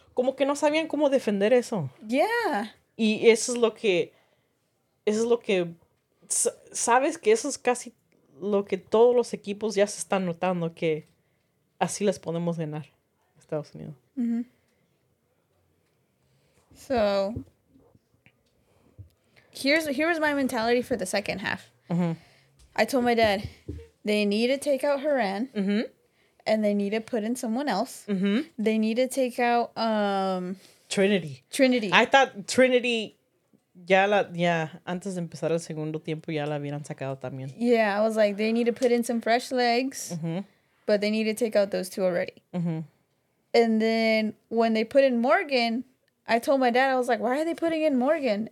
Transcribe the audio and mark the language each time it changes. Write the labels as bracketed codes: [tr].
[es] Como que no sabían cómo defender eso. [en] Yeah. [es] Y eso es lo que... Sabes que eso es casi lo que todos los equipos ya se están notando, que así les podemos ganar a Estados Unidos. Mm-hmm. [en] So, here's my mentality for the second half. Mm-hmm. I told my dad, they need to take out Horan. Mm-hmm. And they need to put in someone else. Mm-hmm. They need to take out Trinity. I thought Trinity, [es] antes de empezar el segundo tiempo, ya la habían sacado también. [en] Yeah, I was like, they need to put in some fresh legs, mm-hmm. but they need to take out those two already. Mm-hmm. And then when they put in Morgan, I told my dad, I was like, why are they putting in Morgan?